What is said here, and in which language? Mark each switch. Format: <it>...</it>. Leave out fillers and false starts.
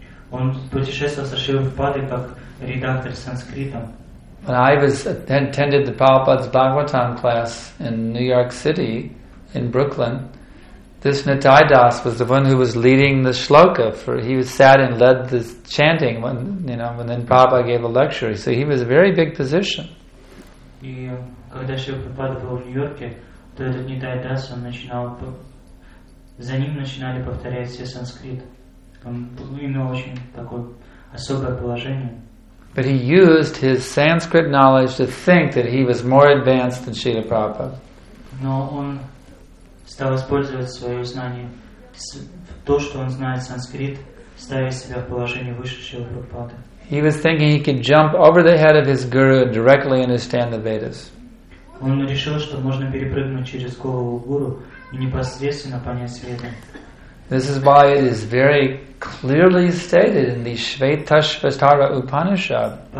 <en>When I was attended the Prabhupada's Bhagavatam class in New York City, in Brooklyn, this Nitai Das was the one who was leading the shloka. For he was sat and led the chanting when then Prabhupada gave a lecture. So he was a very big position. And when Srila Prabhupada was in New York, this Nitai Das, he started.</en> <ru>За ним начинали повторять все санскрит. Он имел очень такое особое положение.</ru> <en>But he used his Sanskrit knowledge to think that he was more advanced than Srila Prabhupada.</en> <ru>Но он стал использовать свое знание, то, что он знает санскрит, ставя себя в положение выше Шрилы Прабхупады.</ru> <en>He was thinking he could jump over the head of his guru and directly understand the Vedas.</en> <ru>Он решил, что можно перепрыгнуть через голову гуру и непосредственно понять Веды.</ru> <en>This is why it is very clearly stated in the Shvetashvatara Upanishad.</en>